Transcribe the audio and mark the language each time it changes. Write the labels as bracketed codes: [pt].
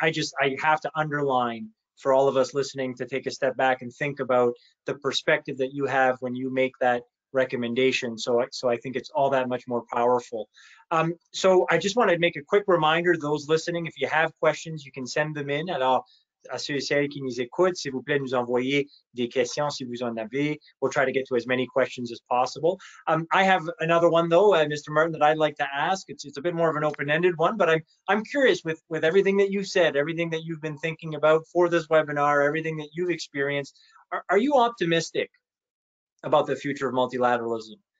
[en] So I have to underline for all of us listening to take a step back and think about the perspective that you have when you make that recommendation. So I think it's all that much more powerful. So I just wanted to make a quick reminder to those listening, if you have questions, you can send them in. [fr] Alors, à ceux et celles qui nous écoutent, s'il vous plaît, nous envoyer des questions si vous en avez. [en] We'll try to get to as many questions as possible. I have another one, though, Mr. Martin, that I'd like to ask. It's a bit more of an open-ended one, but I'm curious with everything that you've said, everything that you've been thinking about for this webinar, everything that you've experienced, are you optimistic about the future of multilateralism?